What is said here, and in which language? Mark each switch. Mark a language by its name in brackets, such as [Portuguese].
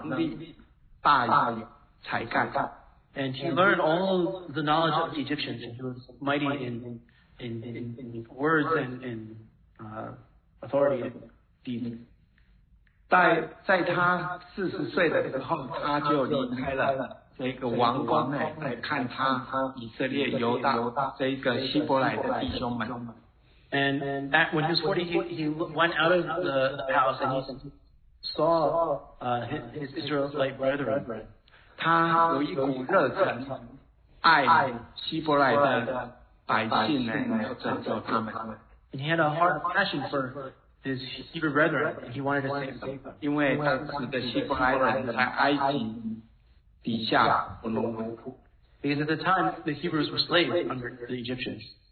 [Chinese] 他学尽了埃及一切的学问，说话能力，大有才干。 [English] And he learned all the knowledge of the Egyptians, and he was mighty in words and in authority and deeds. [Chinese] 在他40岁的时候，他就离开了这个王宫，来看他以色列犹大这个希伯来的弟兄们。 [English] And at, when he was 40, he went out of the house and he saw his Israelite brethren. [Chinese] 他有一股热忱，爱希伯来的百姓，要拯救他们。 [English] And he had a heart of passion for his Hebrew brethren, and he wanted to save them. [Chinese] 因为当时的希伯来人在埃及底下不能奴仆。 [English] Because at the time, the Hebrews were slaves under the Egyptians.